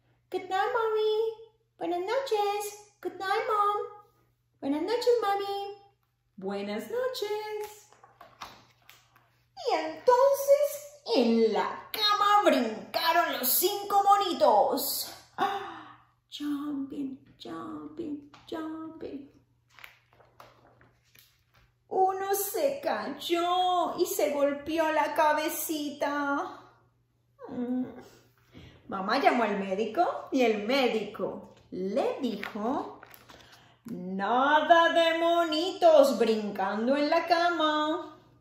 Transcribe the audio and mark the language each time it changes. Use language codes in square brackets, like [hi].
[en] Good night, mommy. [es] Buenas noches. [en] Good night, mom. [es] Buenas noches, mommy. Buenas noches. Y entonces en la cama brincaron los cinco monitos. [en] Ah, jumping, jumping, jumping. [es] Uno se cayó y se golpeó la cabecita. Mamá llamó al médico y el médico le dijo: nada de monitos brincando en la cama.